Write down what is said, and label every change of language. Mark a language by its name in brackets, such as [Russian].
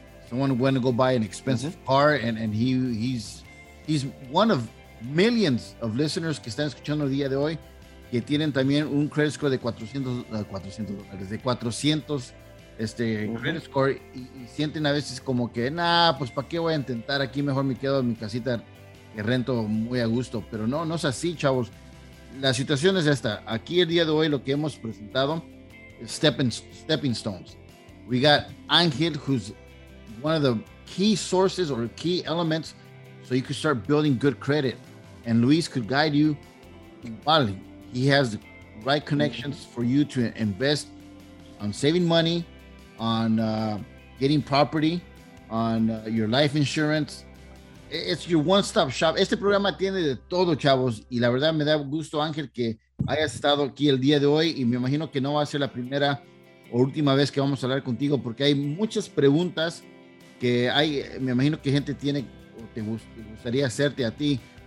[English] Someone went to go buy an expensive car, and he's one of millions of listeners [Spanish] que están escuchando el día de hoy que tienen también un credit score de $400 credit score y sienten a veces como que, nah, pues para qué voy a intentar aquí, mejor me quedo en mi casita que rento muy a gusto. Pero no es así, chavos. La situación es esta. Aquí el día de hoy lo que hemos presentado es Stepping Stones. [English] We got Ángel, who's one of the key sources or key elements so you could start building good credit. And Luis could guide you. Well, he has the right connections for you to invest on saving money, on getting property, on your life insurance. It's your one-stop shop. [Spanish] Este programa tiene de todo, chavos. Y la verdad me da gusto, Ángel, que hayas estado aquí el día de hoy. Y me imagino que no va a ser la primera o última vez que vamos a hablar contigo, porque hay muchas preguntas que hay, me imagino que gente tiene o te gustaría hacerte a ti.